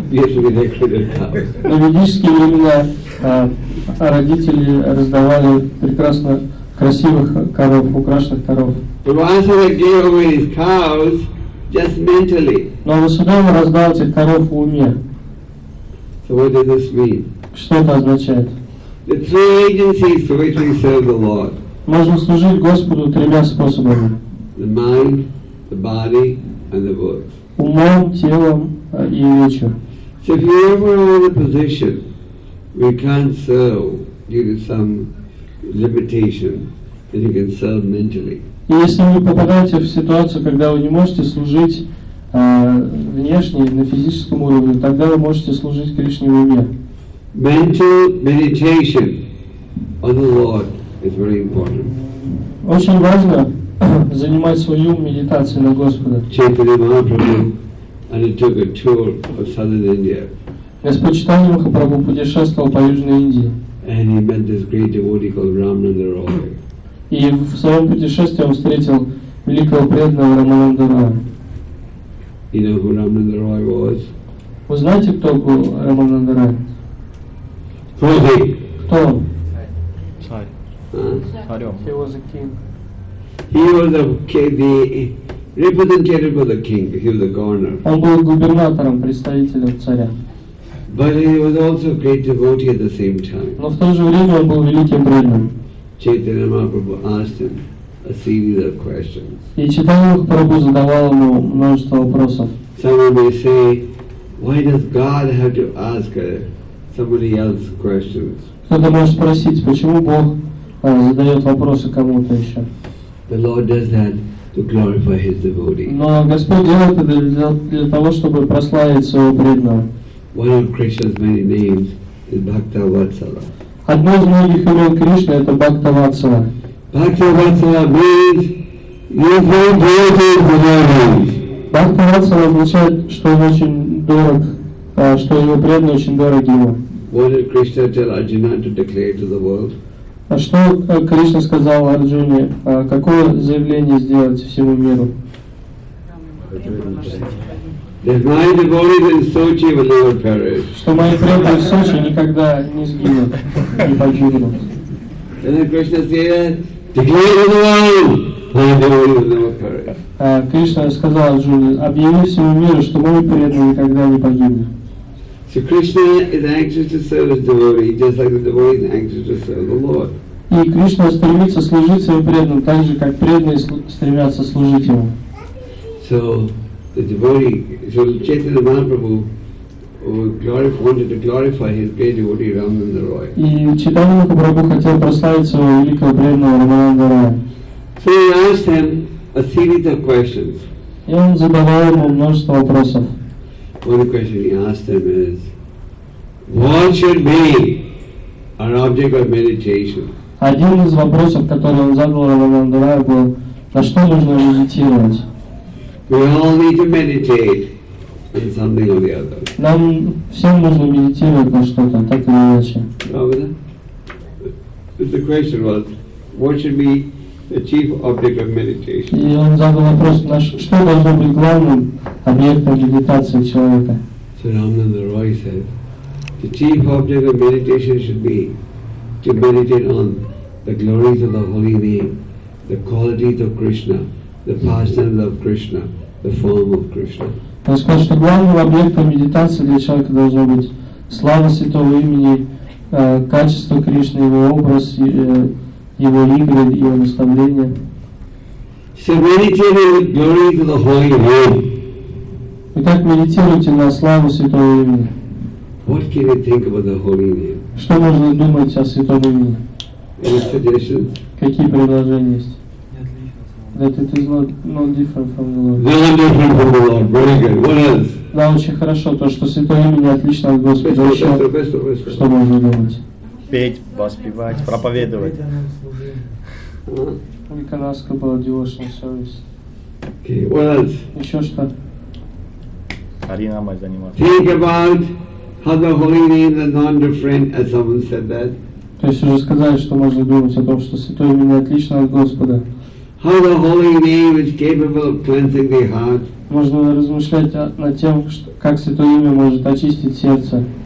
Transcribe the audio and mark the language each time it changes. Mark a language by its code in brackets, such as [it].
[ru] в ведические времена родители раздавали прекрасно красивых коров, украшенных коров. [en] Just mentally. [ru] Но Васудама раздал этих коров в уме. [en] So what does this mean? [ru] Что это означает? [en] The three agencies for which we serve the Lord. [ru] Можно служить Господу тремя способами. [en] The mind, the body, and the words. [ru] Умом, телом и речью. [en] So if you're ever in a position we can't serve due to some limitation, then you can serve mentally. [ru] И если вы попадаете в ситуацию, когда вы не можете служить внешне, на физическом уровне, тогда вы можете служить Кришне в уме. [en] Mental meditation on the Lord is very important. [ru] Очень важно занимать свой ум медитацией на Господа. [en] Chaitanya Mahaprabhu undertook a tour of southern India. [ru] Господь Чайтанья Махапрабху путешествовал по Южной Индии. [en] And he met this great devotee called Рамананда Рой. [ru] И в своем путешествии он встретил великого преданного Рамананда Роя. [en] You know who Рамананда Рой was? [ru] Вы знаете, кто был Рамананда Рой? [en] Who is he? [ru] Кто он? Sai. Huh? [en] He was a king. He was the representative of the king. He was the governor. [ru] Он был губернатором, представителем царя. [en] But he was also a great devotee at the same time. [ru] Но в то же время он был великим преданным. [en] Chaitanya Mahaprabhu asked him a series of questions. [ru] И Чайтанья Махапрабху задавал ему множество вопросов. [en] Someone may say, why does God have to ask somebody else questions? [ru] Кто-то может спросить, почему Бог задает вопросы кому-то еще? [en] The Lord does that to glorify His devotee. [ru] Но Господь делает это для того, чтобы прославить своего преданного. [en] One of Krishna's many names is Bhakta Vatsala. [ru] Одно из многих имен Кришны — это Бхакта Ватсала. [en] Бхакта Ватсала means you feel devoted to the devotees. [ru] Бхакта Ватсала означает, что он очень дорог, что его преданные очень дороги ему. [en] What did Krishna tell Arjuna to declare to the world? [ru] А что Кришна сказал Арджуне? Какое заявление сделать всему миру? [en] That my devotees in Sochi will never perish. [ru] Что мои преданные в Сочи никогда не сгинут, не погибнут. [en] And then Krishna said, declare to the world, my devotees will never perish. [ru] Кришна сказал Арджуне, объяви всему миру, что мои преданные никогда не погибнут. [en] So Krishna is anxious to serve his devotee, just like the devotee is anxious to serve the Lord. [ru] И Кришна стремится служить своим преданным, так же как преданные стремятся служить ему. [en] So the devotee, so Chaitanya Mahaprabhu wanted to glorify his great devotee Ramananda Roy. [ru] И Чайтанья Махапрабху хотел прославить своего великого преданного Рамананда Роя. [en] So he asked him a series of questions. [ru] И он задавал ему множество вопросов. [en] One question he asked him is, what should be our object of meditation? [ru] Один из вопросов, который он задал Рамананда Рая, был, на что нужно медитировать? [en] We all need to meditate on something or the other. [ru] Нам всем нужно медитировать на что-то, так или иначе. [en] The question was, what should be the chief object of meditation? [ru] И он задал вопрос, что должно быть главным объектом медитации человека? [en] So Рамананда Рай said, the chief object of meditation should be to meditate on the glories of the holy name, the qualities of Krishna, the pastimes of Krishna, the form of Krishna. [ru] Он сказал, что главным объектом медитации для человека должно быть слава святого имени, качество Кришны, его образ, его игры, его наставления. [en] So meditate on the glories of the holy name. [ru] Итак, медитируйте на славу святого имени. [en] What can you think about the holy name? [ru] Что можно думать о святом имени? [en] Any suggestions? [ru] Какие предложения есть? [en] That it is not different from the Lord. Not different from the Lord. Very good. What else? [ru] Да, очень хорошо то, что святое имя отлично от Господа. Что можно думать? Петь, воспевать, проповедовать. Только нас было [en] devotional service. Okay. What else? [ru] Еще что? Харинамой заниматься. [en] Think about how the holy name is not different, as someone said that. [ru] То есть уже сказали, что можно думать о том, что святое имя отлично от Господа. [en] How the holy name is capable of cleansing the heart. [ru] Можно размышлять над тем, как святое имя может очистить сердце.